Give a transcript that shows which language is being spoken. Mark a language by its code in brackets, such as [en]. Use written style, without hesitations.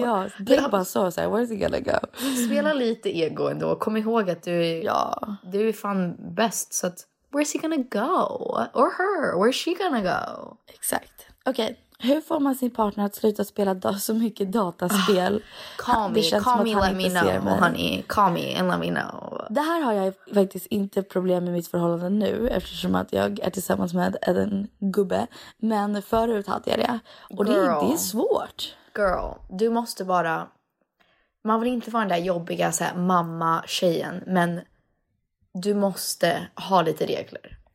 [sv] Ja, det är bara så här, [en] where is he gonna go? [sv] Spela lite ego ändå. Kom ihåg att du är fan bäst. [en] Så att, where is he gonna go? Or her, where is she gonna go? [sv] Exakt. Okej, okay. Hur får man sin partner att sluta spela så mycket dataspel? [en] Call me, let me know, honey. Call me and let me know. [sv] Det här har jag faktiskt inte problem med mitt förhållande nu. Eftersom att jag är tillsammans med en gubbe. Men förut hade jag det. Och det är svårt. Girl, du måste bara... Man vill inte vara den där jobbiga så här, mamma-tjejen. Men du måste ha lite regler.